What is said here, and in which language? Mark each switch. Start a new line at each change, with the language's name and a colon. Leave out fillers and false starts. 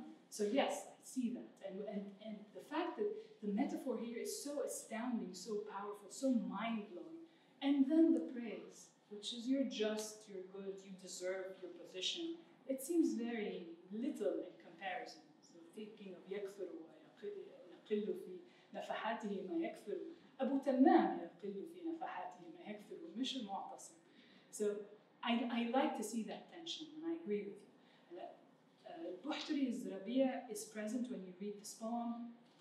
English: So yes, I see that. And the fact that the metaphor here is so astounding, so powerful, so mind-blowing. And then the praise, which is you're just, you're good, you deserve your position. It seems very little in comparison. So thinking of
Arabic: يكثر ويقل في نفحاته ما يكثر. أبو تمام يقل في نفحاته ما يكثر مش المعتصم.
English: So I like to see that tension, and I agree with you. Buhturi's Rabia is present when you read this poem.